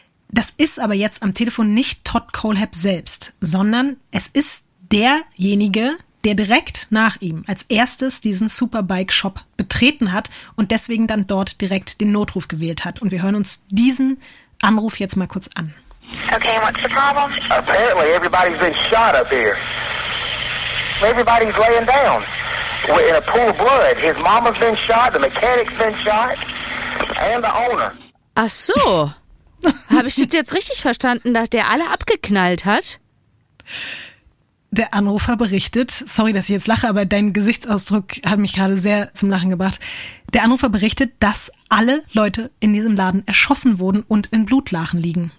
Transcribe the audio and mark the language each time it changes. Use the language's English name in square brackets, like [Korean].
[German] Das ist aber jetzt am Telefon nicht Todd Kohlhepp selbst, sondern es ist derjenige, der direkt nach ihm als erstes diesen Superbike-Shop betreten hat und deswegen dann dort direkt den Notruf gewählt hat. Und wir hören uns diesen Anruf jetzt mal kurz an. [English] Okay, what's the problem? Apparently everybody's been shot up here. Everybody's laying down. We're in a pool of blood. His mama's been shot, the mechanic's been shot, and the owner. [German] Ach so. Habe ich das jetzt richtig verstanden, dass der alle abgeknallt hat? Der Anrufer berichtet, sorry, dass ich jetzt lache, aber dein Gesichtsausdruck hat mich gerade sehr zum Lachen gebracht. Der Anrufer berichtet, dass alle Leute in diesem Laden erschossen wurden und in Blutlachen liegen.